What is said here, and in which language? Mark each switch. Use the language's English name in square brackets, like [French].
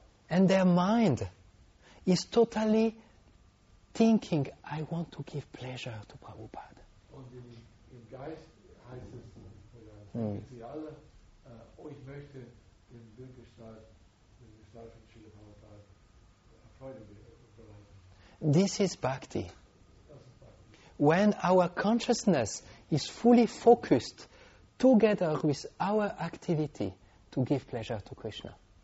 [English] and their mind is totally thinking, I want to give pleasure to Prabhupada. [German] Und im Geist heißt es, oder sie alle, oh, ich möchte den Bildgestalt, den Gestalt von Srila Prabhupada Freude bereiten. [English] This is bhakti. When our consciousness is fully focused together with our activity to give pleasure to Krishna.